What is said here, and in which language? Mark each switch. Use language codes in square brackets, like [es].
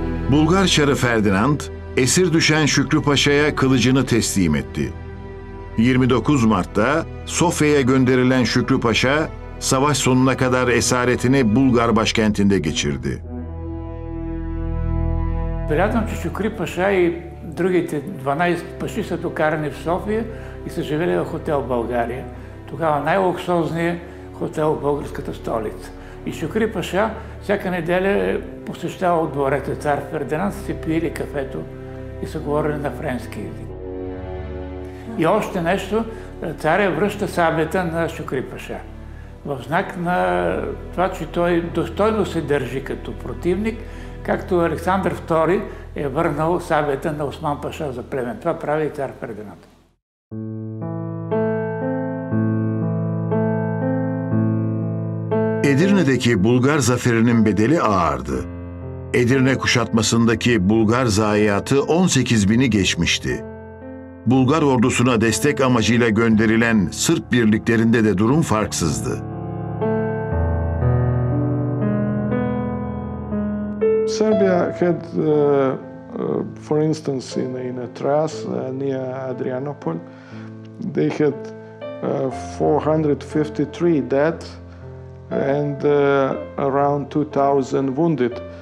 [tr] Bulgar Çarı Ferdinand, esir düşen Şükrü Paşa'ya kılıcını teslim etti. 29 Mart'ta Sofya'ya gönderilen Şükrü Paşa, savaş sonuna kadar esaretini Bulgar başkentinde geçirdi. [bg] Вероятно, че Шукри Паша и другите 12 паши са докарани в София и са живели в хотел България. Тогава най-луксозният хотел в българската столица. И Шукри Паша всяка неделя посещава дворец цар Фердинанд, са си пили кафето и са говорили на френски език. И още нещо, царя връща сабята на Шукри Паша. В знак на това, че той достойно се държи като противник, както Александър II е върнал сабята на Осман Паша за племен. Това прави и цар Фердинанд. [tr] Edirne'deki Bulgar zaferinin bedeli ağırdı. Edirne kuşatmasındaki Bulgar zayiatı 18 bini geçmişti. Bulgar ordusuna destek amacıyla gönderilen Sırp birliklerinde de durum farksızdı. [en] Serbia had, for instance, in Thrace near Adrianople, they had 453 dead and around 2,000 wounded.